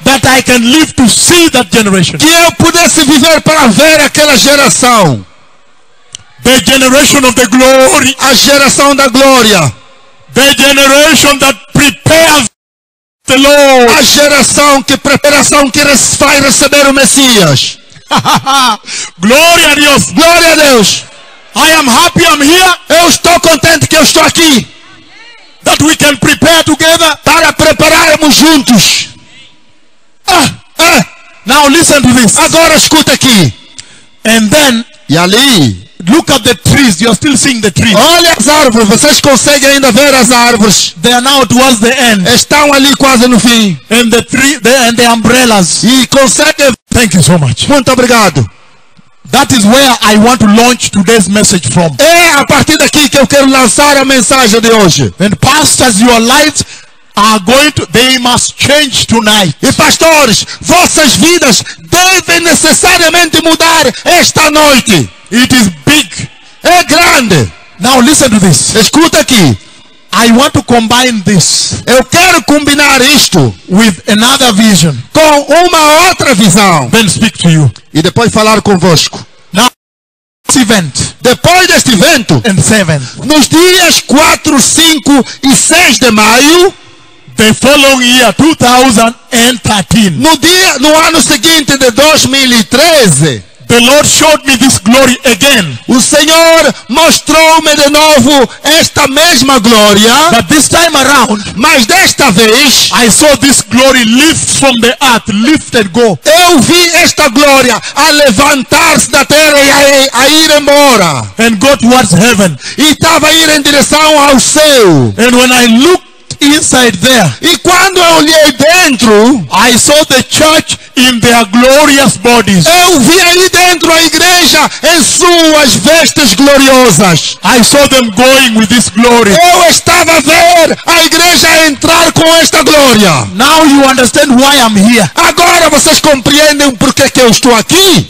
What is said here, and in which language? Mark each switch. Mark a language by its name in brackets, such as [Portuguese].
[English] that I can live to see that generation, [Portuguese] que eu pudesse viver para ver aquela geração, [English] the generation of the glory, [Portuguese] a geração da glória, [English] the generation that prepares the Lord, [Portuguese] a geração que preparação que vai receber o Messias. [English] Glória a Deus, glória a Deus. I am happy I'm here. [Portuguese] Eu estou contente que eu estou aqui. [English] That we can prepare together. [Portuguese] Para prepararmos juntos. [English] Now listen to this. [Portuguese] Agora escuta aqui. [English] And then, [Portuguese] e ali, [English] look at the trees. You are still seeing the trees. [Portuguese] Olha as árvores. Vocês conseguem ainda ver as árvores? [English] They are now towards the end. [Portuguese] Estão ali quase no fim. [English] And the tree, the, and the umbrellas. [Portuguese] E consegue. [English] Thank you so much. [Portuguese] Muito obrigado. [English] That is where I want to launch today's message from. [Portuguese] É a partir daqui que eu quero lançar a mensagem de hoje. [English] And pastors, your lives are going to, they must change tonight. [Portuguese] E pastores, vossas vidas devem necessariamente mudar esta noite. [English] It is big. [Portuguese] É grande. [English] Now listen to this. [Portuguese] Escuta aqui. [English] I want to combine this. [Portuguese] Eu quero combinar isto [English] with another vision. [Portuguese] Com uma outra visão. [English] Then speak to you. [Portuguese] E depois falar convosco. [English] Now, this event. [Portuguese] Depois deste evento. [English] And seven. [Portuguese] Nos dias 4, 5 e 6 de maio. [English] The following year, 2013. [Portuguese] No dia, no ano seguinte de 2013. [English] The Lord showed me this glory again. [Portuguese] O Senhor mostrou-me de novo esta mesma glória. [English] But this time around, [Portuguese] mas desta vez, [English] I saw this glory lift from the earth, lift and go. [Portuguese] Eu vi esta glória a levantar-se da terra e a ir embora. [English] And go towards heaven. [Portuguese] E estava a ir em direção ao céu. [English] And when I looked inside there, [Portuguese] e quando eu olhei dentro, [English] I saw the church in their glorious bodies. [Portuguese] Eu vi ali dentro a igreja em suas vestes gloriosas. [English] I saw them going with this glory. [Portuguese] Eu estava a ver a igreja entrar com esta glória. [English] Now you understand why I'm here. [Portuguese] Agora vocês compreendem por que eu estou aqui.